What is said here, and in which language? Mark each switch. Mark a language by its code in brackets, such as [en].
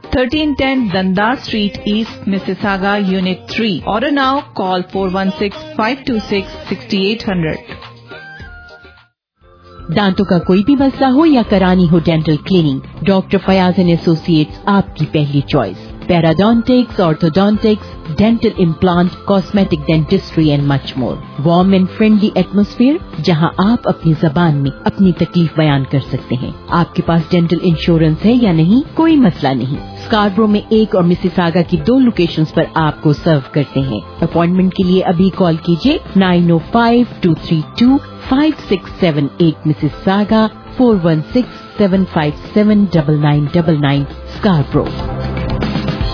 [hi] 1310 दंदार street east Mississauga unit 3। [en] order now, call [hi] 416-526-6800। दांतों का कोई भी मसला हो या करानी हो dental cleaning, doctor Fayaz and associates आपकी पहली choice. [en] Paradontics, orthodontics, dental implant, cosmetic dentistry and much more. Warm and friendly atmosphere, [hi] जहां आप अपनी जबान में अपनी तकलीफ बयान कर सकते हैं। आपके पास डेंटल इंश्योरेंस है या नहीं, कोई मसला नहीं। स्कारब्रो में एक और मिसिसागा की दो लोकेशंस पर आपको सर्व करते हैं। अपॉइंटमेंट के लिए अभी कॉल कीजिए 905-232-5678 मिसिसागा, 416-757-9999 स्कारब्रो।